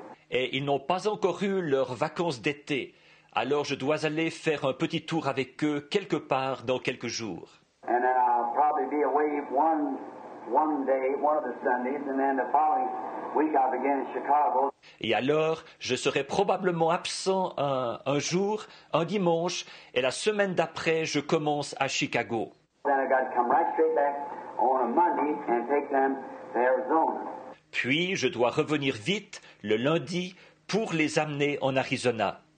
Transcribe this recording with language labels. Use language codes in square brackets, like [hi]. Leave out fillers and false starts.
[fr] Et ils n'ont pas encore eu leurs vacances d'été. Alors je dois aller faire un petit tour avec eux quelque part dans quelques jours. [en] And then I'll probably be away one day, one of the Sundays, and then the following week I'll begin in Chicago. [fr] Et alors, je serai probablement absent un jour, un dimanche, et la semaine d'après, je commence à Chicago. [en] Then I got to come right straight back on a Monday and take them to Arizona. [fr] Puis, je dois revenir vite le lundi pour les amener en Arizona.